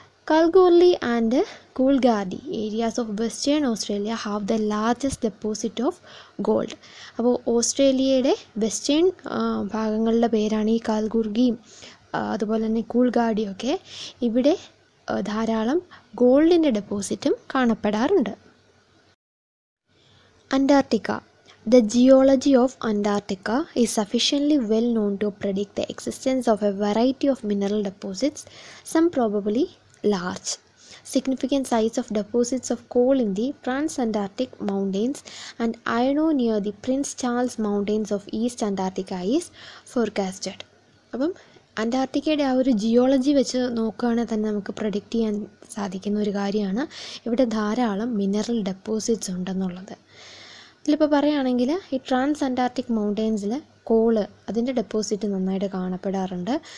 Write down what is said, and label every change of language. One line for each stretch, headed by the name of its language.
English: Kalgoorlie and Coolgardie areas of Western Australia have the largest deposit of gold.
Malayalam: അപ്പോൾ ഓസ്ട്രേലിയയുടെ western ഭാഗങ്ങളുടെ പേരാണ് ഈ കൽഗോർഗിയും അതുപോലെ തന്നെ കൂൾഗാർഡിയും ഒക്കെ. ഇവിടെ ധാരാളം ഗോൾഡിൻ്റെ ഡെപ്പോസിറ്റും കാണപ്പെടാറുണ്ട്. Antarctica.
English: The geology of Antarctica is sufficiently well known to predict the existence of a variety of mineral deposits, some probably large. Significant sites of deposits of coal in the Trans-Antarctic Mountains and iron ore near the Prince Charles Mountains of East Antarctica is forecasted.
Malayalam: അപ്പം അന്റാർട്ടിക്കയുടെ ആ ഒരു geology വെച്ച് നോക്കുകയാണെങ്കിൽ തന്നെ നമുക്ക് predict ചെയ്യാൻ സാധിക്കുന്ന ഒരു കാര്യമാണ് ഇവിടെ ധാരാളം മിനറൽ ഡെപ്പോസിറ്റ്സ് ഉണ്ടെന്നുള്ളത്. ഇതിലിപ്പോൾ പറയുകയാണെങ്കിൽ ഈ ട്രാൻസ് അന്റാർട്ടിക് മൗണ്ടെയിൻസിൽ കോള്, അതിൻ്റെ ഡെപ്പോസിറ്റ് നന്നായിട്ട് കാണപ്പെടാറുണ്ട്.